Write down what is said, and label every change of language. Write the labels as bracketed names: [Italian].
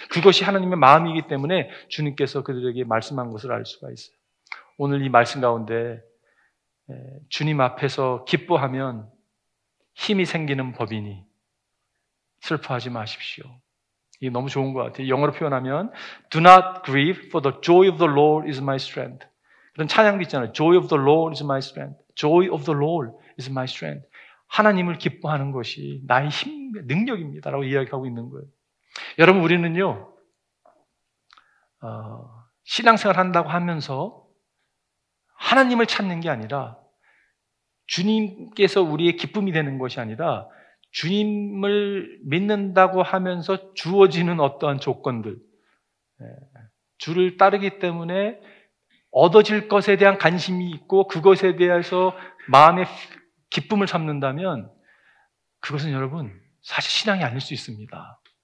[Korean] 그것이 하나님의 마음이기 때문에 주님께서 그들에게 말씀한 것을 알 수가 있어요. 오늘 이 말씀 가운데 주님 앞에서 기뻐하면 힘이 생기는 법이니 슬퍼하지 마십시오. 이게 너무 좋은 것 같아요. 영어로 표현하면 [English] Do not grieve, for the joy of the Lord is my strength. [Korean] 그런 찬양도 있잖아요. [English] Joy of the Lord is my strength. Joy of the Lord is my strength. [Korean] 하나님을 기뻐하는 것이 나의 힘, 능력입니다라고 이야기하고 있는 거예요. 여러분, 우리는요, 신앙생활 한다고 하면서 하나님을 찾는 게 아니라 주님께서 우리의 기쁨이 되는 것이 아니라 주님을 믿는다고 하면서 주어지는 어떠한 조건들, 주를 따르기 때문에 얻어질 것에 대한 관심이 있고 그것에 대해서 마음의 기쁨을 삼는다면 그것은 여러분 사실 신앙이 아닐 수 있습니다.